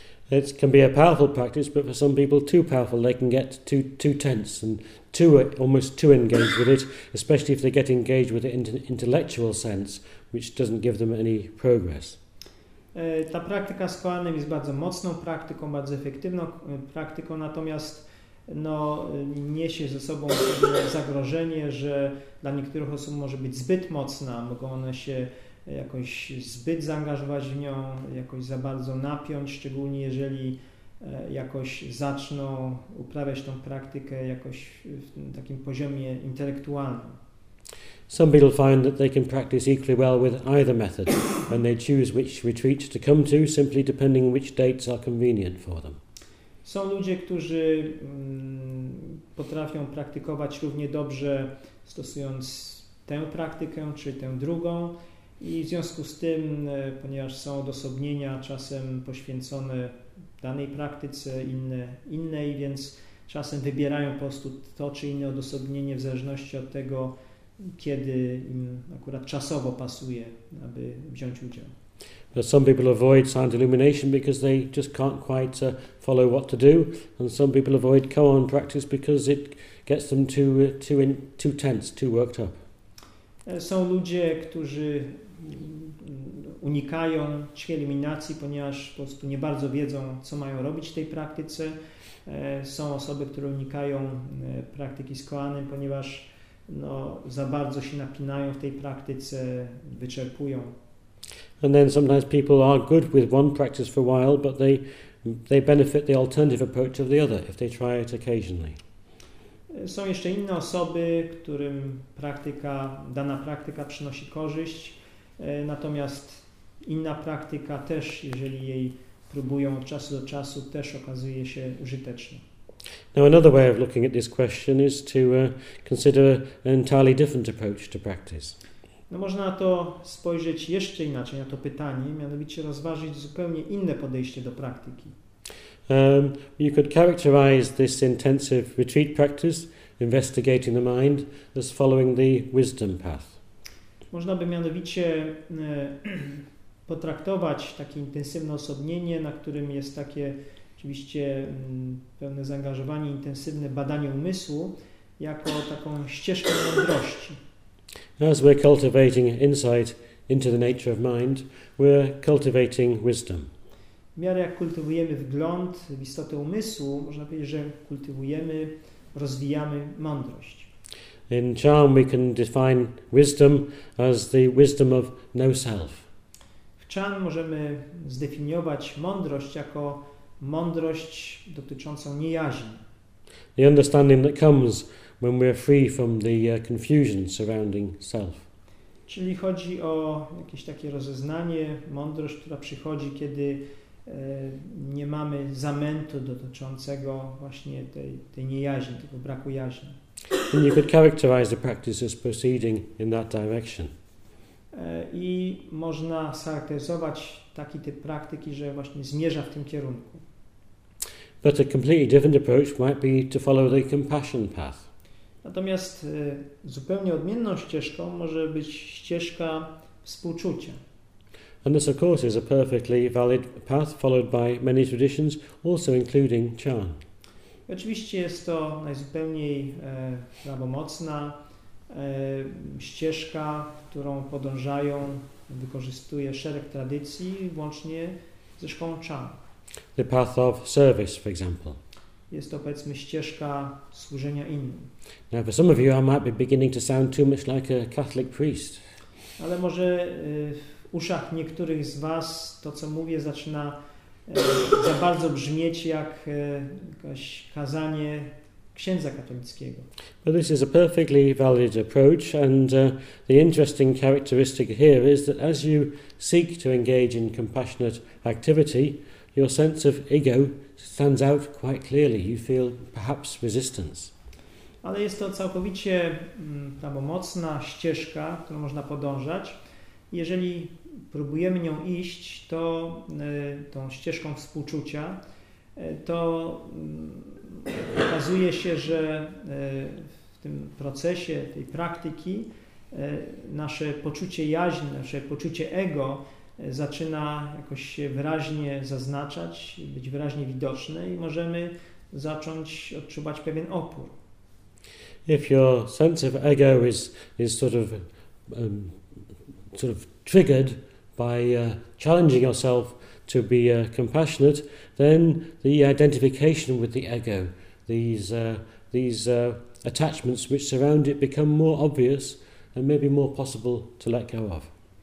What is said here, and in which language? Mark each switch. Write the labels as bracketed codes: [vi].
[en] It can be a powerful practice, but for some people too powerful, they can get too tense and almost too engaged with it, especially if they get engaged with it in an intellectual sense, which doesn't give them any progress. [pl] Ta praktyka z koanem jest bardzo mocną praktyką, bardzo efektywną praktyką, natomiast no, niesie ze sobą zagrożenie, że dla niektórych osób może być zbyt mocna, mogą one się jakoś zbyt zaangażować w nią, jakoś za bardzo napiąć, szczególnie jeżeli jakoś zaczną uprawiać tą praktykę jakoś w takim poziomie intelektualnym. [en] Some people find that they can practice equally well with either method and they choose which retreat to come to simply depending which dates are convenient for them. [pl] Są ludzie, którzy potrafią praktykować równie dobrze stosując tę praktykę czy tę drugą. I w związku z tym, ponieważ są odosobnienia czasem poświęcone danej praktyce, innej, więc czasem wybierają po prostu to czy inne odosobnienie w zależności od tego, kiedy im akurat czasowo pasuje, aby wziąć udział. [en] But some people avoid sound illumination because they just can't quite follow what to do, and some people avoid koan practice because it gets them too tense, too worked up. [pl] Są ludzie, którzy unikają cichej iluminacji, ponieważ po prostu nie bardzo wiedzą, co mają robić w tej praktyce. Są osoby, które unikają praktyki z koanem, ponieważ no, za bardzo się napinają w tej praktyce, wyczerpują. [en] And then sometimes people are good with one practice for a while, but they benefit the alternative approach of the other if they try it occasionally. [pl] Są jeszcze inne osoby, którym dana praktyka przynosi korzyść. Natomiast inna praktyka też, jeżeli jej próbują od czasu do czasu, też okazuje się użyteczna. [en] Now another way of looking at this question is to consider an entirely different approach to practice. [pl] No można to spojrzeć jeszcze inaczej na to pytanie, mianowicie rozważyć zupełnie inne podejście do praktyki. [en] You could characterize this intensive retreat practice, investigating the mind, as following the wisdom path. [pl] Można by mianowicie potraktować takie intensywne osobnienie, na którym jest takie oczywiście pełne zaangażowanie, intensywne badanie umysłu, jako taką ścieżkę mądrości. [en] As we're cultivating insight into the nature of mind, we're cultivating wisdom. [pl] W miarę jak kultywujemy wgląd w istotę umysłu, można powiedzieć, że kultywujemy, rozwijamy mądrość. [en] In Chan we can define wisdom as the wisdom of no self. [pl] W Chan możemy zdefiniować mądrość jako mądrość dotyczącą niejaźni. [en] The understanding that comes when we are free from the confusion surrounding self. [pl] Czyli chodzi o jakieś takie rozeznanie, mądrość, która przychodzi, kiedy nie mamy zamętu dotyczącego właśnie tej niejaźni, tego braku jaźni. [en] And you could characterize the practice as proceeding in that direction. [pl] I można scharakteryzować taki typ praktyki, że właśnie zmierza w tym kierunku. [en] But a completely different approach might be to follow the compassion path. [pl] Natomiast zupełnie odmienną ścieżką może być ścieżka współczucia. [en] And this, of course, is a perfectly valid path followed by many traditions, also including Chan. [pl] Oczywiście jest to najzupełniej prawomocna ścieżka, którą podążają, wykorzystuje szereg tradycji, włącznie ze szkołą Chan. [en] The path of service, for example. [pl] Jest to, powiedzmy, ścieżka służenia innym. [en] Now, for some of you, I might be beginning to sound too much like a Catholic priest. [pl] Ale może w uszach niektórych z was to, co mówię, zaczyna za bardzo brzmieć jak jakieś kazanie księdza katolickiego. [en] But this is a perfectly valid approach, and the interesting characteristic here is that as you seek to engage in compassionate activity, your sense of ego stands out quite clearly. You feel perhaps resistance. [pl] Ale jest to całkowicie prawomocna ścieżka, którą można podążać. Jeżeli próbujemy nią iść, to tą ścieżką współczucia, to okazuje się, że w tym procesie, tej praktyki, nasze poczucie jaźni, nasze poczucie ego zaczyna jakoś się wyraźnie zaznaczać, być wyraźnie widoczne i możemy zacząć odczuwać pewien opór. [en] If your sense of ego is sort of triggered by challenging yourself to be compassionate, then the identification with the ego, these attachments which surround it, become more obvious and maybe more possible to let go of.